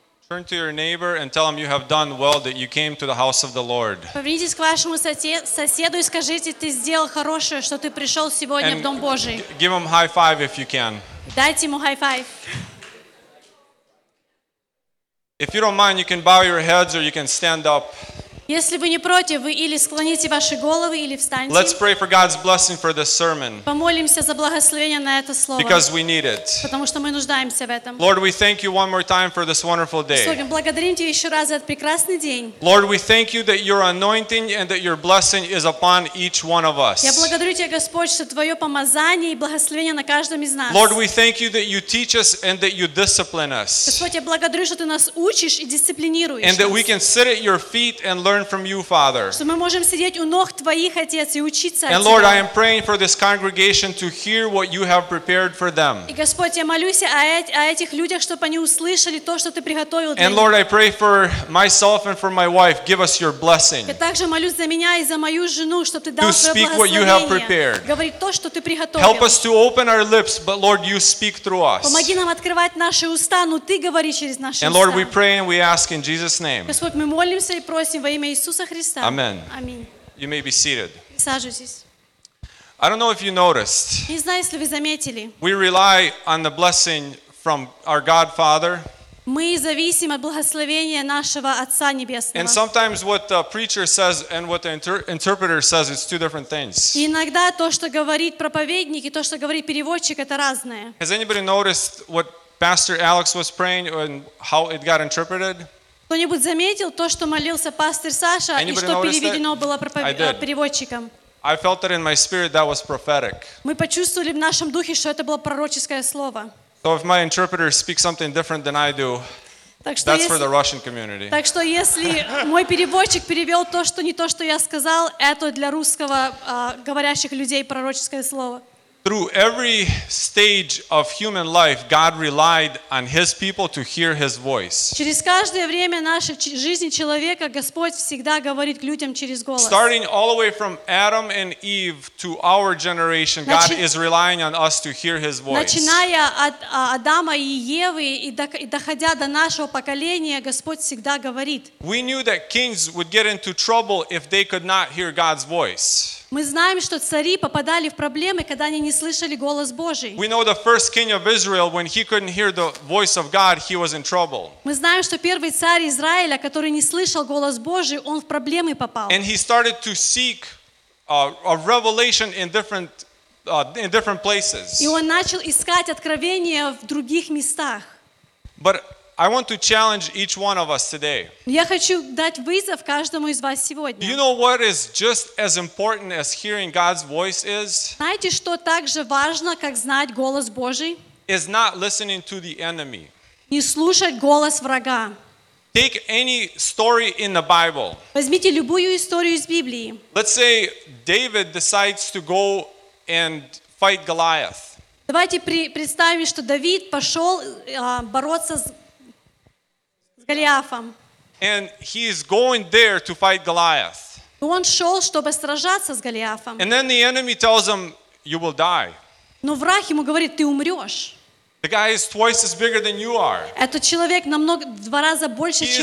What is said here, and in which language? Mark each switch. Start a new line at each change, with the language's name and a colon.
English: Turn to your neighbor and tell him you have done well that you came to the house of the Lord.
Russian: Повернитесь к вашему соседу и скажите, ты сделал хорошее, что ты пришел сегодня в дом Божий.
English: Give him high five if you can.
Russian: Дайте ему
English: high five. If you don't mind, you can bow your heads or you can stand up.
Russian: Если вы не против, вы или склоните ваши головы, или встаньте.
English: Let's pray for God's blessing for this sermon.
Russian: Помолимся за благословение на это слово.
English: Because we need it.
Russian: Потому что мы нуждаемся в этом.
English: Lord, we thank you one more time for this wonderful day.
Russian: Господи, благодарим тебя еще раз за этот прекрасный день.
English: Lord, we thank you that your anointing and that your blessing is upon each one of us.
Russian: Я благодарю тебя, Господь, что твое помазание и благословение на каждом из нас.
English: Lord, we thank you that you teach us and that you discipline us.
Russian: Господь, я благодарю, что ты нас учишь и дисциплинируешь.
English: And that we can sit at your feet and learn from you, Father.
Russian: Что мы можем сидеть у ног твоих, Отец, и учиться от тебя.
English: And Lord, I am praying for this congregation to hear what you have prepared for them.
Russian: И Господь, я молюсь о этих людях, чтобы они услышали то, что ты приготовил для них.
English: And Lord, I pray for myself and for my wife. Give us your blessing.
Russian: Я также молюсь за меня и за мою жену, чтобы ты дал свое благословение.
English: To speak what you have prepared.
Russian: Говори то, что ты приготовил.
English: Help us to open our lips, but Lord, you speak through us.
Russian: Помоги нам открывать наши уста, но ты говори через наши уста.
English: And Lord, we pray and we ask in Jesus' name.
Russian: Господь, мы молимся и просим во имя Иисуса Христа.
English: Amen. Amen. You may be seated.
Russian: Присаживайтесь.
English: I don't know if you noticed.
Russian: Не знаю, если вы заметили.
English: We rely on the blessing from our God Father.
Russian: Мы зависим от благословения нашего Отца Небесного.
English: And sometimes what the preacher says and what the interpreter says is two different things.
Russian: Иногда то, что говорит проповедник, и то, что говорит переводчик, это разное.
English: Has anybody noticed what Pastor Alex was praying and how it got interpreted?
Russian: Кто-нибудь заметил то, что молился пастор Саша, и что переведено было переводчиком?
English: I felt that in my spirit that was prophetic.
Russian: Мы почувствовали в нашем духе, что это было пророческое слово.
English: So if my interpreter speaks something different than I do, that's for the Russian community.
Russian: Так что если мой переводчик перевел то, что не то, что я сказал, это для русского говорящих людей пророческое слово.
English: Through every stage of human life, God relied on His people to hear His voice.
Russian: Через каждое время нашей жизни человека Господь всегда говорит к людям через голос.
English: Starting all the way from Adam and Eve to our generation, God is relying on us to hear His voice.
Russian: Начиная от Адама и Евы и доходя до нашего поколения, Господь всегда говорит.
English: We knew that kings would get into trouble if they could not hear God's voice.
Russian: Мы знаем, что цари попадали в проблемы, когда они не слышали голос Божий.
English: We know the first king of Israel, when he couldn't hear the voice of God, he was in trouble.
Russian: Мы знаем, что первый царь Израиля, который не слышал голос Божий, он в проблемы попал.
English: And he started to seek a revelation in different places.
Russian: И он начал искать откровения в других местах.
English: But I want to challenge each one of us today.
Russian: Я хочу дать вызов каждому из вас сегодня.
English: You know what is just as important as hearing God's voice is?
Russian: Знаете, что так же важно, как знать голос Божий?
English: Is not listening to the enemy.
Russian: Не слушать голос врага.
English: Take any story in the Bible.
Russian: Возьмите любую историю из Библии.
English: Let's say David decides to go and fight Goliath.
Russian: Давайте представим, что Давид пошел бороться с Голиафом.
English: And he is going there to fight Goliath.
Russian: Он шел, чтобы сражаться с Голиафом.
English: And then the enemy tells him, "You will die."
Russian: Но враг ему говорит, ты умрешь.
English: The guy is twice as bigger than you are.
Russian: Этот человек намного два раза больше, чем ты.